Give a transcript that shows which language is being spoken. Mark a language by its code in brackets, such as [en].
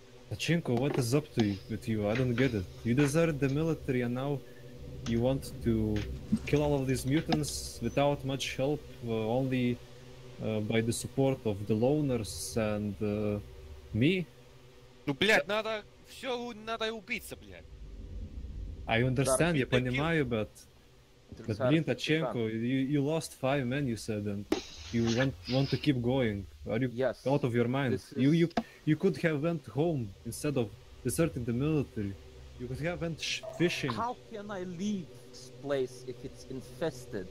[en] Pachinko, what is up to you, with you? I don't get it. You deserted the military and now you want to kill all of these mutants without much help, only by the support of the loners and me? [ru] Ну, блядь, надо все, надо убиться, блядь. [en] I understand, [ru] я понимаю, [en] but... But [ru] блин, [en] Tachenko, you lost 5 men, you said, and you want to keep going. Are you out of your mind? You could have went home instead of deserting the military. You could have went fishing. How can I leave this place if it's infested?